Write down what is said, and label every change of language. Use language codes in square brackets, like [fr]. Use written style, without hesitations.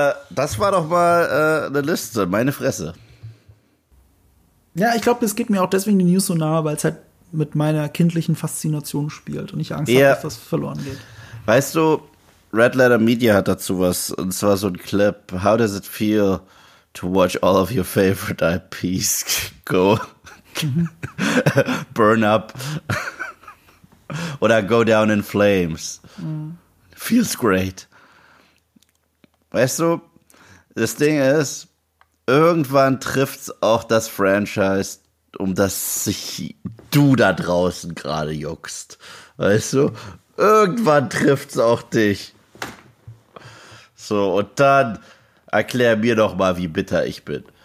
[de] Das war doch mal eine Liste. Meine Fresse. Ja, ich glaube, es geht mir auch deswegen die News so nahe, weil es halt mit meiner kindlichen Faszination spielt und ich Angst habe, dass das verloren geht. Weißt du, Red Letter Media hat dazu was, und zwar so ein Clip. [en] How does it feel to watch all of your favorite IPs go burn up [de] oder [en] go down in flames? Mm. Feels great. [de] Weißt du, das Ding ist, irgendwann trifft's auch das Franchise, um das sich du da draußen gerade juckst. Weißt du, irgendwann trifft's auch dich. So, und dann erklär mir doch mal, wie bitter ich bin.